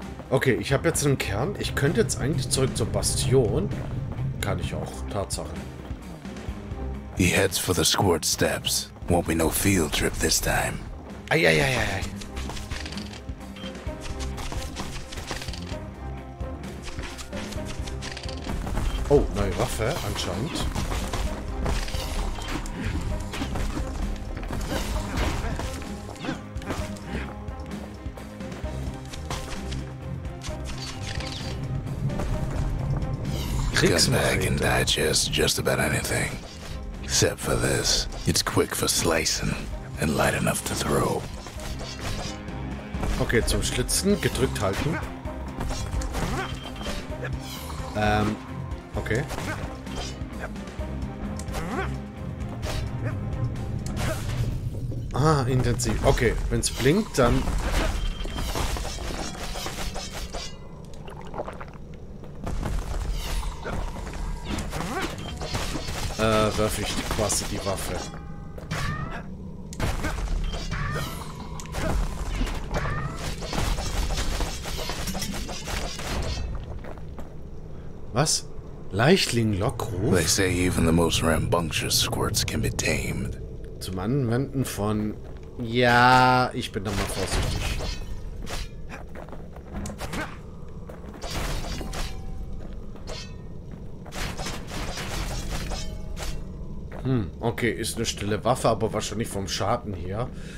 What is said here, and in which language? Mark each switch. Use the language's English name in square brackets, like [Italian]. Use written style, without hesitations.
[German] Okay, ich habe jetzt einen Kern. Ich könnte jetzt eigentlich zurück zur Bastion. Kann ich auch. Tatsache. [English] He heads for the squad steps. Won't be no field trip this time. Eieieiei. [German] Oh, neue Waffe anscheinend. [English] Gunbag can digest just about anything, except for this. It's quick for slicing and light enough to throw. [German] Okay, zum Schlitzen gedrückt halten. Okay. Ah, intensiv. Okay, wenn's blinkt, dann. werfe ich quasi die Waffe. Was? Leichtling Lockruf? [English] They say even the most rambunctious squirts can be tamed. [German] Zum Anwenden von... Ja, ich bin da mal vorsichtig. Hm, okay, ist eine stille Waffe, aber wahrscheinlich vom Schaden her.